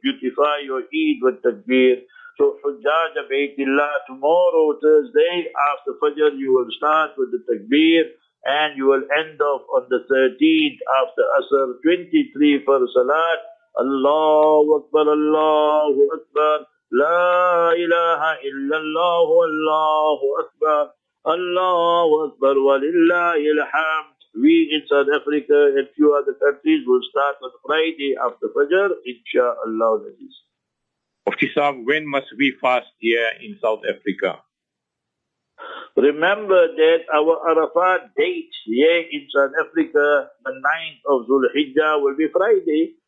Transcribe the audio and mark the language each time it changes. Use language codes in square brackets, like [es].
[en] Beautify your Eid with takbir. So Hujjaj of Baytullah, tomorrow, Thursday, after Fajr, you will start with the takbir and you will end off on the 13th after Asr, 23 for Salat. [ar] Allahu Akbar, Allahu Akbar. لا إله إلا الله الله أكبر الله أكبر ولله الحمد. [en] We in South Africa and few other countries will start on Friday after Fajr, inshallah. Mufti Sahab, when must we fast here in South Africa? Remember that our Arafat date here in South Africa, the 9th of Zulhijjah, will be Friday.